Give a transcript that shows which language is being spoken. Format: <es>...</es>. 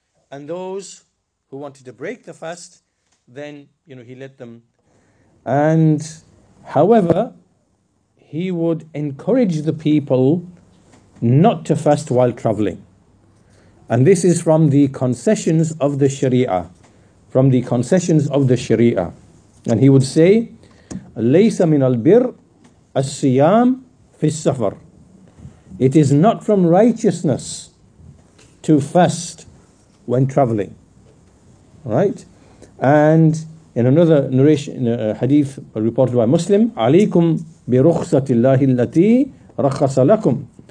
<en>And those who wanted to break the fast, then, you know, he let them. And however, he would encourage the people not to fast while traveling. And this is from the concessions of the Sharia. From the concessions of the Sharia. And he would say,</en> <ar>لَيْسَ مِنَ الْبِرِّ السِّيَامِ فِي السَّفَرِ.</ar> <en>It is not from righteousness to fast when traveling. Right? And in another narration, in a hadith reported by Muslim,</en> <ar>عَلَيْكُمْ بِرُخْصَةِ اللَّهِ الَّتِي رَخَّصَ لَكُمْ.</ar>